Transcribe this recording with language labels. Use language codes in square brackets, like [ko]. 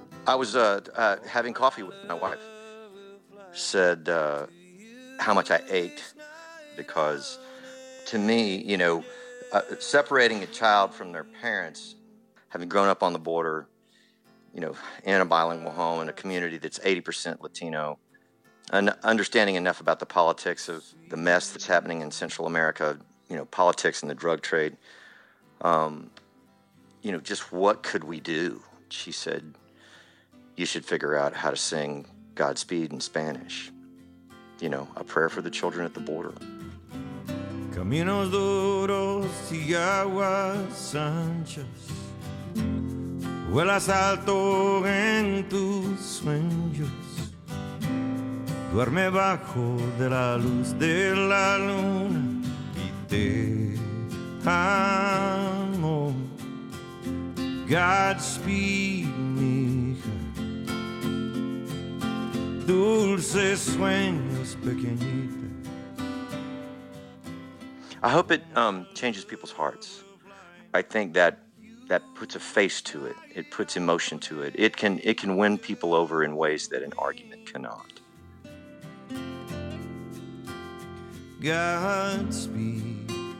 [en] I was having coffee with my wife. Said how much I ate, because to me, you know, separating a child from their parents, having grown up on the border, you know, in a bilingual home in a community that's 80% Latino, and understanding enough about the politics of the mess that's happening in Central America, you know, politics and the drug trade, you know, just what could we do? She said, you should figure out how to sing Godspeed in Spanish. You know, a prayer for the children at the border. [es] Caminos duros y aguas anchas. Vuelas alto en tus sueños. Duerme bajo de la luz de la luna. Y te amo. [en] Godspeed, mija. [es] Dulces sueños pequeñita. [en] I hope it changes people's hearts. I think that that puts a face to it. It puts emotion to it. It can win people over in ways that an argument cannot. Godspeed.